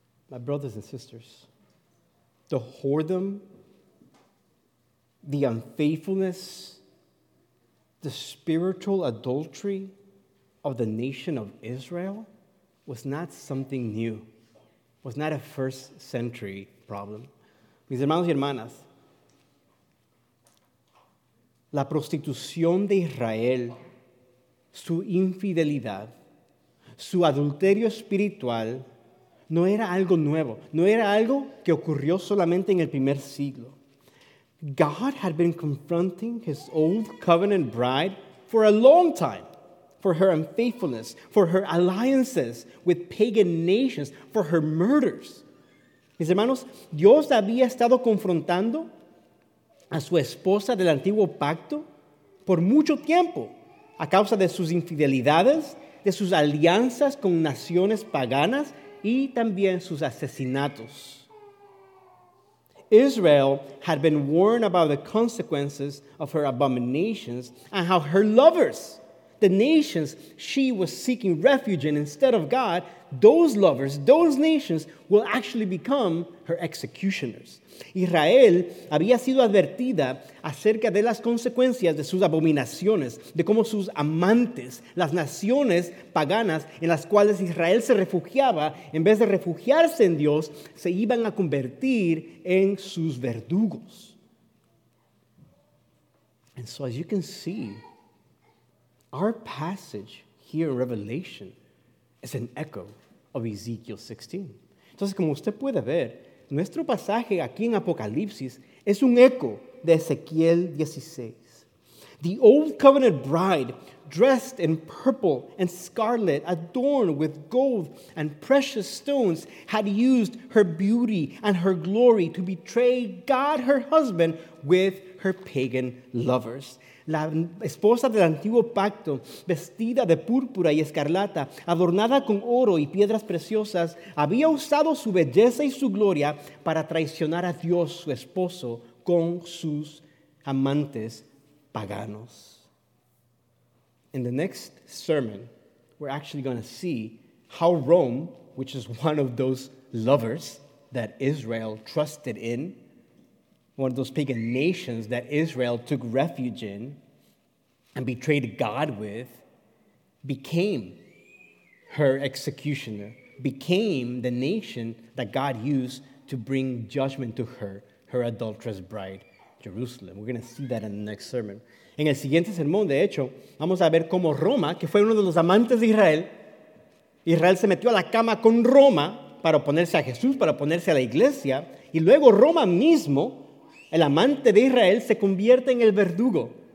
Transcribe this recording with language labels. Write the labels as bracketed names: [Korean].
[English] My brothers and sisters, the whoredom, the unfaithfulness, the spiritual adultery of the nation of Israel was not something new, was not a first century problem. [Spanish] Mis hermanos y hermanas, la prostitución de Israel, su infidelidad, su adulterio espiritual, no era algo nuevo, no era algo que ocurrió solamente en el primer siglo. [English] God had been confronting his old covenant bride for a long time, for her unfaithfulness, for her alliances with pagan nations, for her murders. [Spanish] Mis hermanos, Dios había estado confrontando a su esposa del antiguo pacto por mucho tiempo a causa de sus infidelidades, de sus alianzas con naciones paganas y también sus asesinatos. [English] Israel had been warned about the consequences of her abominations and how her lovers, the nations she was seeking refuge in instead of God, those lovers, those nations, will actually become her executioners. [Spanish] Israel había sido advertida acerca de las consecuencias de sus abominaciones, de cómo sus amantes, las naciones paganas en las cuales Israel se refugiaba, en vez de refugiarse en Dios, se iban a convertir en sus verdugos. [English] And so as you can see, our passage here in Revelation is an echo of Ezekiel 16. [Spanish] Entonces, como usted puede ver, nuestro pasaje aquí en Apocalipsis es un eco de Ezequiel 16. [English] The old covenant bride, dressed in purple and scarlet, adorned with gold and precious stones, had used her beauty and her glory to betray God, her husband, with her pagan lovers. [Spanish] La esposa del antiguo pacto, vestida de púrpura y escarlata, adornada con oro y piedras preciosas, había usado su belleza y su gloria para traicionar a Dios, su esposo, con sus amantes paganos. [English] In the next sermon, we're actually going to see how Rome, which is one of those lovers that Israel trusted in, one of those pagan nations that Israel took refuge in and betrayed God with, became her executioner, became the nation that God used to bring judgment to her, her adulterous bride, Jerusalem. We're going to see that in the next sermon. [Spanish] En el siguiente sermón, de hecho, vamos a ver cómo Roma, que fue uno de los amantes de Israel, Israel se metió a la cama con Roma para oponerse a Jesús, para oponerse a la iglesia, y luego Roma mismo, el amante de Israel, se convierte en el verdugo.